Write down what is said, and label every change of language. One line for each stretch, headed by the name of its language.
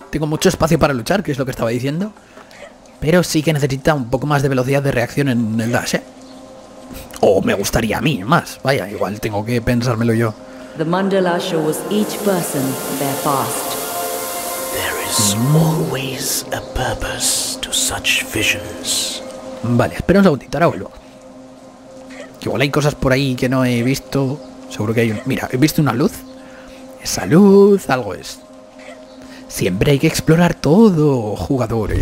Spanish: Tengo mucho espacio para luchar, que es lo que estaba diciendo. Pero sí que necesita un poco más de velocidad de reacción en el dash, ¿eh? O me gustaría a mí más. Vaya, igual tengo que pensármelo yo.
English: The mandala shows each person their past. There is always a purpose to such visions.
Spanish: Vale, espera un segundito, ahora vuelvo. Igual hay cosas por ahí que no he visto. Seguro que hay un... Mira, he visto una luz. Esa luz, algo es. Siempre hay que explorar todo, jugadores.